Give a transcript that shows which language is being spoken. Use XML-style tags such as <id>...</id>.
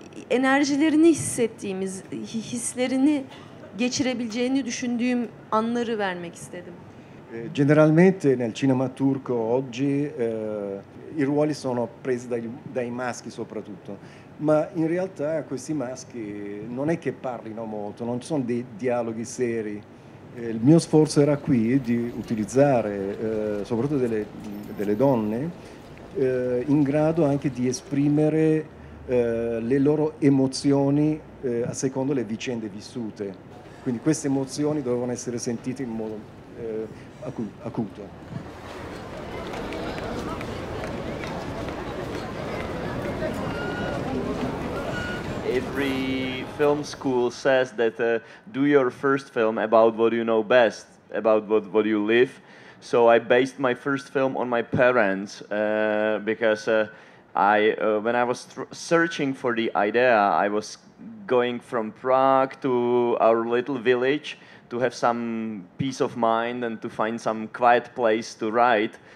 <tr>Enerjilerini hissettiğimiz, hislerini geçirebileceğini düşündüğüm anları vermek istedim.</tr> <it>Generalmente nel cinema turco oggi i ruoli sono presi dai maschi soprattutto, ma in realtà questi maschi non è che parlino molto, non ci sono dei dialoghi seri. Il mio sforzo era qui di utilizzare soprattutto delle donne in grado anche di esprimere le loro emozioni a secondo le vicende vissute. Quindi queste emozioni dovevano essere sentite in modo acuto.</it> <en>Every film school says that do your first film about what you know best, about what you live. So I based my first film on my parents because when I was searching for the idea, I was going from Prague to our little village to have some peace of mind and to find some quiet place to write.</en>